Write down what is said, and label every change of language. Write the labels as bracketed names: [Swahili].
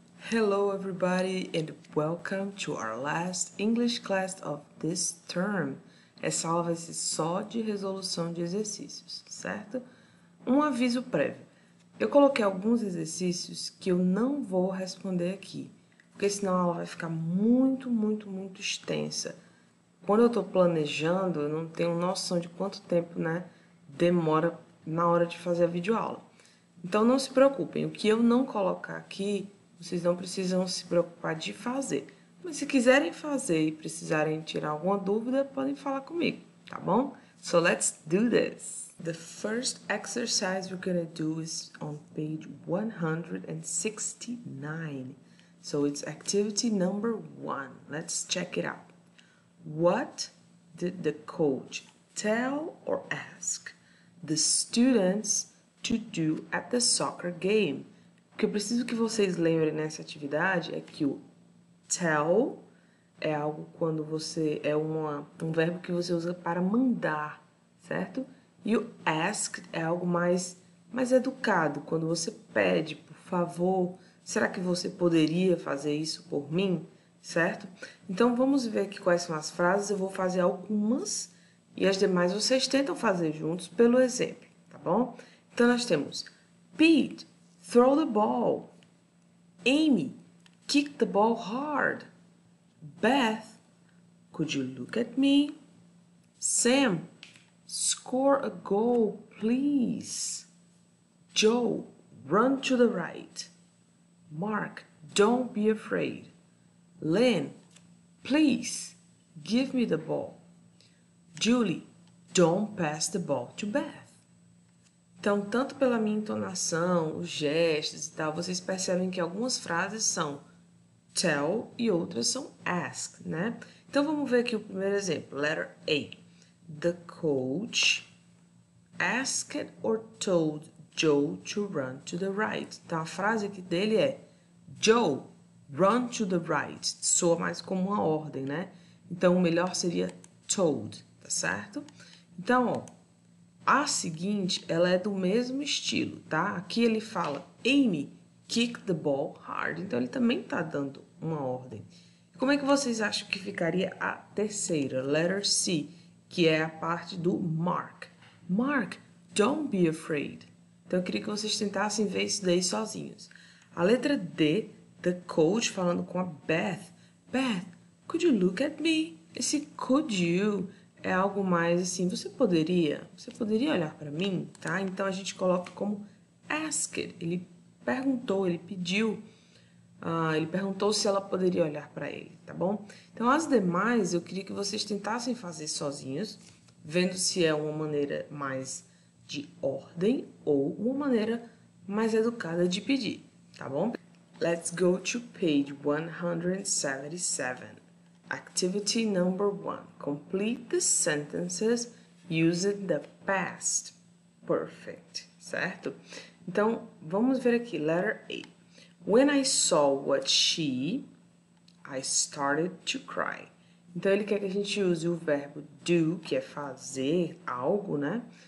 [English] Hello, everybody, and welcome to our last English class of this term. [Portuguese] Essa aula vai ser só de resolução de exercícios, certo? Um aviso prévio. Eu coloquei alguns exercícios que eu não vou responder aqui, porque senão a aula vai ficar muito, muito, muito extensa. Quando eu estou planejando, eu não tenho noção de quanto tempo, né, demora na hora de fazer a videoaula. Então, não se preocupem. O que eu não colocar aqui, vocês não precisam se preocupar de fazer. Mas se quiserem fazer e precisarem tirar alguma dúvida, podem falar comigo, tá bom? [English] So let's do this. The first exercise we're gonna do is on page 169. So it's activity number one. Let's check it out. What did the coach tell or ask the students to do at the soccer game? [Portuguese] O que eu preciso que vocês lembrem nessa atividade é que o tell é algo quando você é um verbo que você usa para mandar, certo? E o ask é algo mais educado, quando você pede, por favor, será que você poderia fazer isso por mim, certo? Então vamos ver aqui quais são as frases, eu vou fazer algumas e as demais vocês tentam fazer juntos pelo exemplo, tá bom? Então nós temos Pete, [English] throw the ball. Amy, kick the ball hard. Beth, could you look at me? Sam, score a goal, please. Joe, run to the right. Mark, don't be afraid. Lynn, please, give me the ball. Julie, don't pass the ball to Beth. [Portuguese] Então, tanto pela minha entonação, os gestos e tal, vocês percebem que algumas frases são tell e outras são ask, né? Então, vamos ver aqui o primeiro exemplo. [English] Letter A. The coach asked or told Joe to run to the right. [Portuguese] Então, a frase aqui dele é [English] Joe, run to the right. [Portuguese] Soa mais como uma ordem, né? Então, o melhor seria told, tá certo? Então, ó. A seguinte, ela é do mesmo estilo, tá? Aqui ele fala, [English] Amy, kick the ball hard. [Portuguese] Então, ele também tá dando uma ordem. Como é que vocês acham que ficaria a terceira, letter C, que é a parte do Mark? [English] Mark, don't be afraid. [Portuguese] Então, eu queria que vocês tentassem ver isso daí sozinhos. A letra D, [English] the coach [Portuguese] falando com a Beth. [English] Beth, could you look at me? [Portuguese] Esse [English] could you... [Portuguese] é algo mais assim, você poderia olhar para mim, tá? Então, a gente coloca como asked, ele perguntou, ele pediu, ele perguntou se ela poderia olhar para ele, tá bom? Então, as demais, eu queria que vocês tentassem fazer sozinhos, vendo se é uma maneira mais de ordem ou uma maneira mais educada de pedir, tá bom? [English] Let's go to page 177. Activity number one. Complete the sentences using the past perfect. [Portuguese] Certo? Então, vamos ver aqui. [English] Letter A. When I saw what she, I started to cry. [Portuguese] Então, ele quer que a gente use o verbo do, que é fazer algo, né?